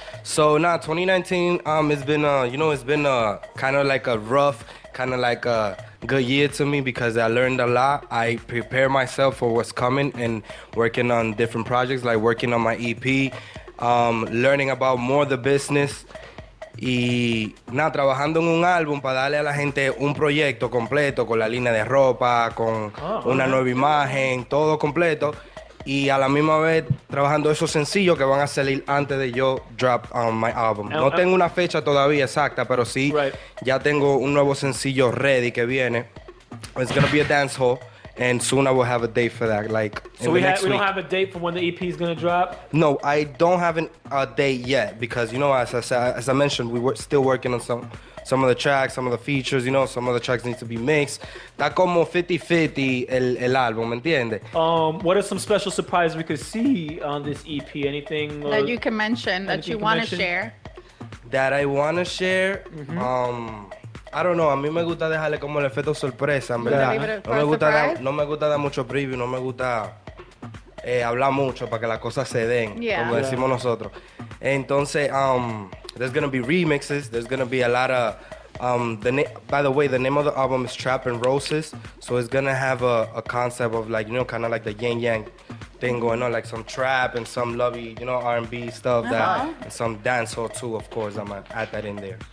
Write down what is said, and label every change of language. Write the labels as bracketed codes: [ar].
[en] So, nah, 2019, it's been, kind of like a rough, kind of like a good year to me because I learned a lot. I prepare myself for what's coming and working on different projects, like working on my EP, learning about more the business. [es] Y nada, trabajando en un álbum para darle a la gente un proyecto completo con la línea de ropa, con una nueva imagen, todo completo. Y a la misma vez trabajando esos sencillos que van a salir antes de yo [en] drop my album. [es] No tengo una fecha todavía exacta, pero sí, ya tengo un nuevo sencillo ready que viene. [en] It's gonna be a dance hall. And soon I will have a date for that, We don't have a date for when the EP is going to drop? No, I don't have a date yet because, you know, as I mentioned, we were still working on some of the tracks, some of the features, you know, some of the tracks need to be mixed. [es] Está como 50-50 el álbum, ¿me entiendes? [en] What are some special surprises we could see on this EP? Anything that you can mention that you want to share? That I want to share? Mm-hmm. I don't know, [es] a mí me gusta dejarle como el efecto sorpresa, en verdad. No me gusta dar mucho preview, no me gusta hablar mucho para que las cosas se den, como decimos nosotros. [en] Entonces, there's going to be remixes, there's going to be a lot of... the name of the album is Trap and Roses, so it's going to have a concept of like, you know, kind of like the yin yang thing going on, like some trap and some lovey, you know, R&B stuff, and some dancehall too, of course, I'm going to add that in there.